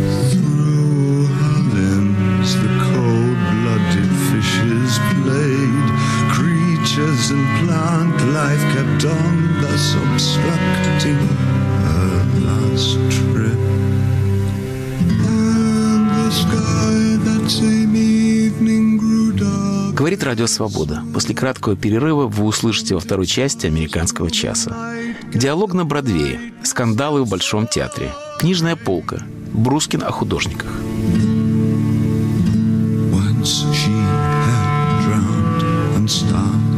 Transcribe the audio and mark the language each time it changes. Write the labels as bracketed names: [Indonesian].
[English] Through her limbs the cold-blooded fishes played. Creatures and plant life kept on thus obstructing her last trip. And the sky that same evening grew dark. [Russian] Говорит Радио Свобода. После краткого перерыва вы услышите во второй части «Американского часа». Диалог на Бродвее. Скандалы в Большом театре. Книжная полка. Брускин о художниках. [English] Once she had drowned and started.